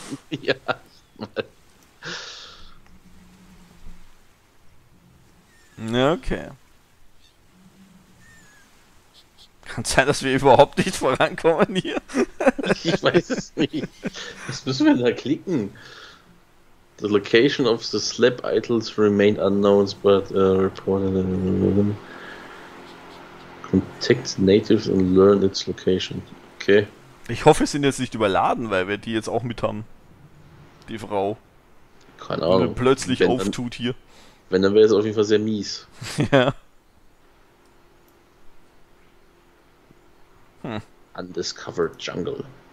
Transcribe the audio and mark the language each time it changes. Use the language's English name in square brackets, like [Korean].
[German] Ja. Okay. Kann sein, dass wir überhaupt nicht vorankommen hier. Ich weiß es nicht. Was müssen wir da klicken? [English] The location of the slab idols remained unknown, but reported in rhythm. Contact natives and learn its location. Okay. [German] Ich hoffe, wir sind jetzt nicht überladen, weil wir die jetzt auch mit haben. Die Frau. Keine Ahnung. Die plötzlich wenn auftut dann, hier. Wenn, dann wäre es auf jeden Fall sehr mies. Ja. [English] Undiscovered Jungle.